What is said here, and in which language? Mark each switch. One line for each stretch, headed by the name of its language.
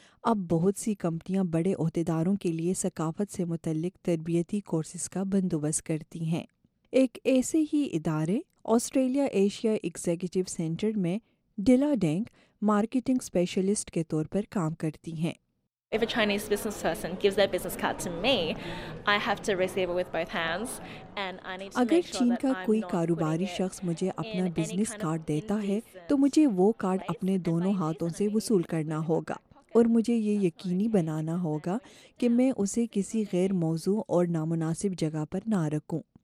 Urdu: اب بہت سی کمپنیاں بڑے عہدیداروں کے لیے ثقافت سے متعلق تربیتی کورسز کا بندوبست کرتی ہیں۔ ایک ایسے ہی ادارے آسٹریلیا ایشیا ایگزیکٹو سینٹر میں ڈیلا ڈینگ مارکیٹنگ اسپیشلسٹ کے طور پر کام کرتی ہیں۔
English: If a Chinese business person gives their business card to me, I have to receive it with both hands.
Urdu: اگر چین کا کوئی کاروباری شخص مجھے اپنا بزنس کارڈ دیتا ہے تو مجھے وہ کارڈ اپنے دونوں ہاتھوں سے وصول کرنا ہوگا اور مجھے یہ یقینی بنانا ہوگا کہ میں اسے کسی غیر موضوع اور نامناسب جگہ پر نہ رکھوں.